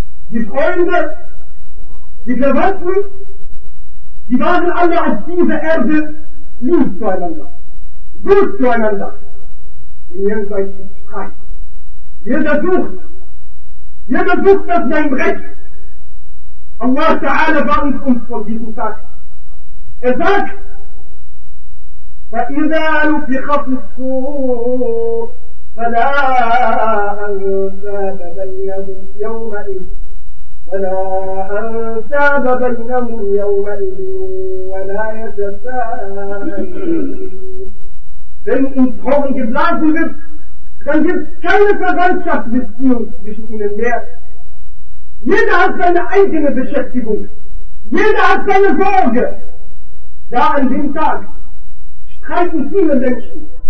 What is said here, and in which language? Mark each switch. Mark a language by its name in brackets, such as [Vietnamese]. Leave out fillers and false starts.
[German] Die Freunde, die Verwandten, die waren alle auf dieser Erde lieb zueinander. Gut zueinander. Und jenseits des Streit. Jeder sucht nach seinem Recht. Allah Ta'ala war uns von diesem Tag. [Arabic] إذاك فإذا نفخ في الصور فلا أنساب بينهم يومئذ فلا أنساب بينهم يومئذ ولا يتساءلون. [German] Wenn ins Horn geblasen wird, dann gibt es keine Verwandtschaftsbeziehung zwischen ihnen mehr. Jeder hat seine eigene Beschäftigung. Jeder hat seine Sorge. Da an dem Tag streiten viele Menschen.